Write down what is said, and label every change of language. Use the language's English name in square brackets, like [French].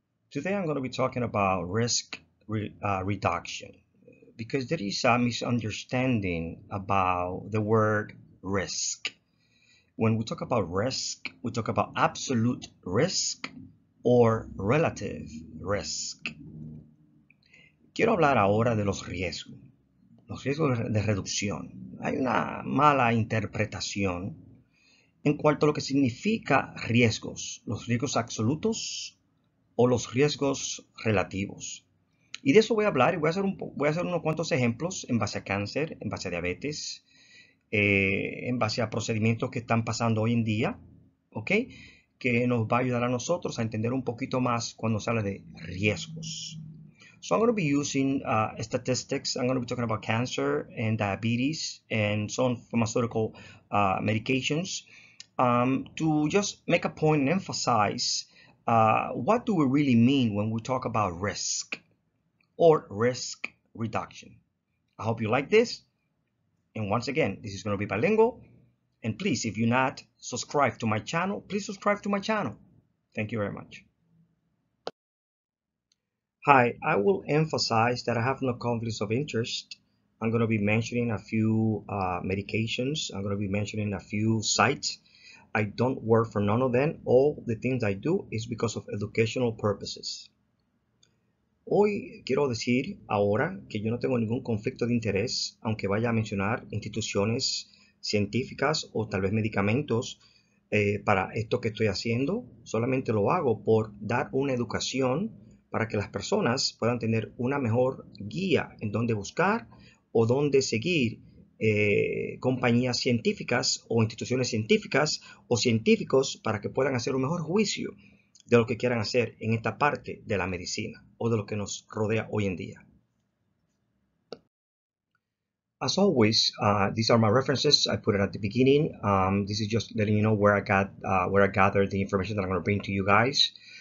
[English] Today I'm going to be talking about risk reduction because there is a misunderstanding about the word risk. When we talk about risk, we talk about absolute risk or relative risk. [Spanish] Quiero hablar ahora de los riesgos de reducción. Hay una mala interpretación en cuanto a lo que significa riesgos, los riesgos absolutos o los riesgos relativos. Y de eso voy a hablar y voy a hacer unos cuantos ejemplos en base a cáncer, en base a diabetes, en base a procedimientos que están pasando hoy en día, ¿ok? Que nos va a ayudar a nosotros a entender un poquito más cuando se habla de riesgos. [English] So I'm going to be using statistics. I'm going to be talking about cancer and diabetes and some pharmaceutical medications to just make a point and emphasize what do we really mean when we talk about risk or risk reduction. I hope you like this. And once again, this is going to be bilingual. And please, if you're not subscribed to my channel, please subscribe to my channel. Thank you very much. Hi, I will emphasize that I have no conflicts of interest. I'm going to be mentioning a few medications. I'm going to be mentioning a few sites. I don't work for none of them. All the things I do is because of educational purposes. [Spanish] Hoy quiero decir ahora que yo no tengo ningún conflicto de interés, aunque vaya a mencionar instituciones científicas o tal vez medicamentos para esto que estoy haciendo. Solamente lo hago por dar una educación para que las personas puedan tener una mejor guía en dónde buscar o dónde seguir compañías científicas o instituciones científicas o científicos para que puedan hacer un mejor juicio de lo que quieran hacer en esta parte de la medicina o de lo que nos rodea hoy en día. [English] As always, these are my references I put it at the beginning. This is just letting you know where I got where I gathered the information that I'm going to bring to you guys.